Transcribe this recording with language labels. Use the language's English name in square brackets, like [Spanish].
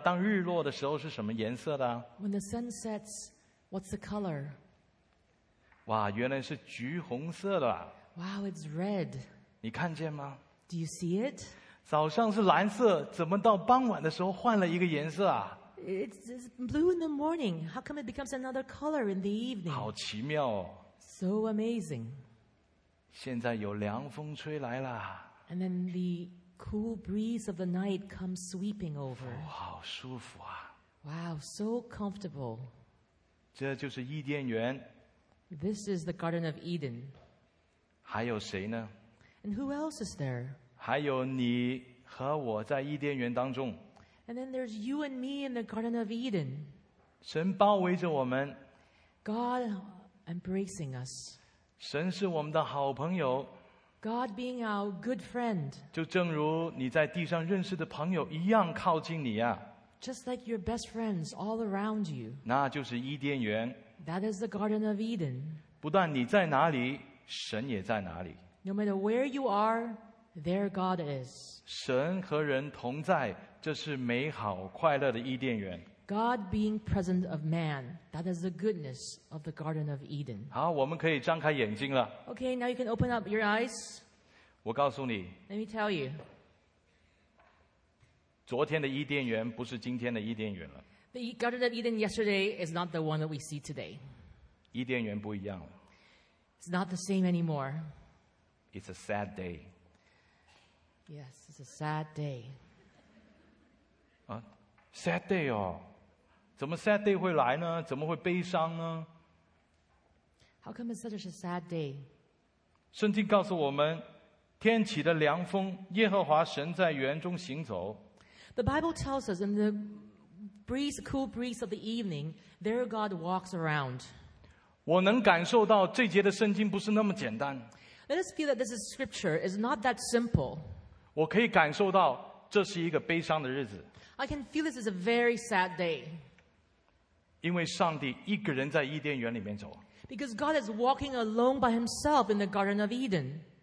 [Chinese] 当日落的时候是什么颜色的？ [English] When the sun sets, what's the color? [Chinese] 哇，原来是橘红色的。 [English] Wow, it's red. [Chinese] 你看见吗？ [English] Do you see it? [Chinese] 早上是蓝色，怎么到傍晚的时候换了一个颜色啊？ [English] It's blue in the morning. How come it becomes another color in the evening? [Chinese] 好奇妙哦。 [English] So amazing. [Chinese] 现在有凉风吹来了。 [English] And then the... Cool breeze of the night comes sweeping over. [Chinese] 哦，好舒服啊。 [English] Wow, so comfortable. [Chinese] 这就是伊甸园。 [English] This is the Garden of Eden. [Chinese] 还有谁呢？ [English] And who else is there? [Chinese] 还有你和我在伊甸园当中。 [English] And then there's you and me in the Garden of Eden. [Chinese] 神包围着我们。 [English] God embracing us. [Chinese] 神是我们的好朋友。 [English] God being our good friend. [Chinese] 就正如你在地上认识的朋友一样靠近你啊。 [English] Just like your best friends all around you. [Chinese] 那就是伊甸园。 [English] That is the Garden of Eden. [Chinese] 不但你在哪里，神也在哪里。 [English] No matter where you are, there God is. [Chinese] 神和人同在，这是美好快乐的伊甸园。 [English] God being present of man, that is the goodness of the Garden of Eden. [Chinese] 好，我们可以张开眼睛了。 [English] Okay, now you can open up your eyes. [Chinese] 我告诉你。 [English] Let me tell you. [Chinese] 昨天的伊甸园不是今天的伊甸园了。 [English] The Garden of Eden yesterday is not the one that we see today. [Chinese] 伊甸园不一样了。 [English] It's not the same anymore. It's a sad day. Yes, it's a sad day. Sad day [Chinese] 哦，怎么 [English] sad day [Chinese] 会来呢？怎么会悲伤呢？ [English] How come it's such a sad day? [Chinese] 圣经告诉我们，天起的凉风，耶和华神在园中行走。 [English] The Bible tells us in the breeze, cool breeze of the evening, there God walks around. [Chinese] 我能感受到这节的圣经不是那么简单。 [English] Let us feel that this is scripture is not that simple. [Chinese] 我可以感受到这是一个悲伤的日子。 [English] I can feel this is a very sad day. [Chinese] 因为上帝一个人在伊甸园里面走。 [English] Because God is walking alone by himself in the Garden of Eden.